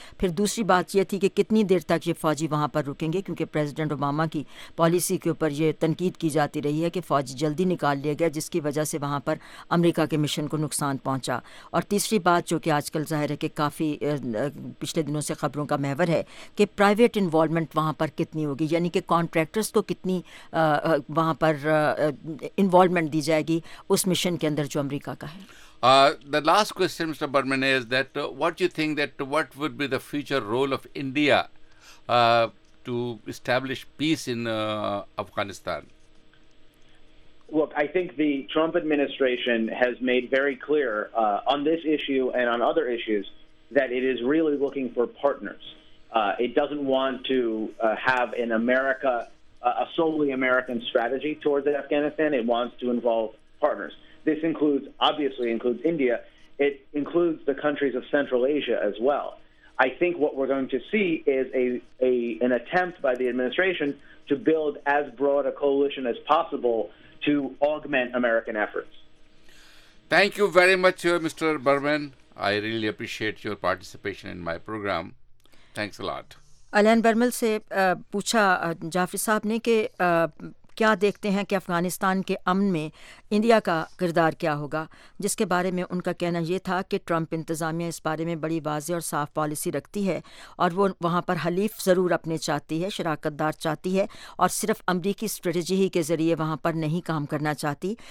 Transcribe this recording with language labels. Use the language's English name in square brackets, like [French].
[Urdu] پھر دوسری بات یہ تھی کہ کتنی دیر تک یہ فوجی وہاں پر رکیں گے, کیونکہ پریزیڈنٹ اوباما کی پالیسی کے اوپر یہ تنقید کی جاتی رہی ہے کہ فوج جلدی نکال لیا گیا, جس کی وجہ سے وہاں پر امریکہ کے مشن کو نقصان پہنچا. اور تیسری بات جو کہ آج کل ظاہر ہے کہ کافی پچھلے دنوں سے خبروں کا محور ہے, کہ پرائیویٹ انوالومنٹ وہاں پر کتنی ہوگی, یعنی کہ کانٹریکٹرز کو کتنی وہاں پر انوالومنٹ دی جائے گی اس مشن کے اندر جو امریکہ کا ہے. [English] The last question, Mr. Berman, is that what do you think that what would be the future role of India to establish peace in Afghanistan? Look, I think the Trump administration has made very clear on this issue and on other issues that it is really looking for partners. It doesn't want to have an America, a solely American strategy towards Afghanistan. It wants to involve partners. This includes, obviously includes India. It includes the countries of Central Asia as well. I think what we're going to see is an attempt by the administration to build as broad a coalition as possible to augment American efforts. Thank you very much, Mr. Berman. I really appreciate your participation in my program. Thanks a lot. [Urdu] Alan Burman سے پوچھا جعفر صاحب نے کہ کیا دیکھتے ہیں کہ افغانستان کے امن میں انڈیا کا کردار کیا ہوگا, جس کے بارے میں ان کا کہنا یہ تھا کہ ٹرمپ انتظامیہ اس بارے میں بڑی واضح اور صاف پالیسی رکھتی ہے, اور وہ وہاں پر حلیف ضرور اپنے چاہتی ہے, شراکت دار چاہتی ہے, اور صرف امریکی اسٹریٹجی ہی کے ذریعے وہاں پر نہیں کام کرنا چاہتی.